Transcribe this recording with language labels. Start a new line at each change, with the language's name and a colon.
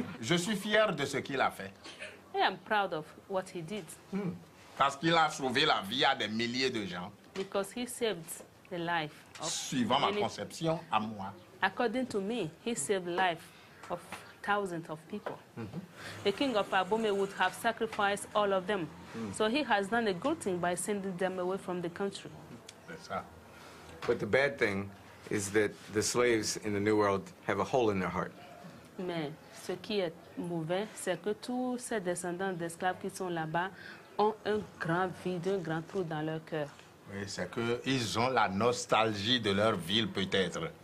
French: Je suis fier de ce qu'il a fait.
English: I am proud of what he did. Mm.
French: Parce qu'il a sauvé la vie à des milliers de gens.
English: Because he saved the life of
French: suivant ma conception à moi.
English: According to me, he saved the life of thousands of people. Mm-hmm. The king of Abomey would have sacrificed all of them. Mm. So he has done a good thing by sending them away from the country. That's right. But the bad thing is that the slaves in the New World have a hole in their heart.
French: Mais ce qui est mauvais, c'est que tous ces descendants d'esclaves qui sont là-bas ont un grand vide, un grand trou dans leur cœur. Oui, c'est que ils ont la nostalgie de leur ville, peut-être.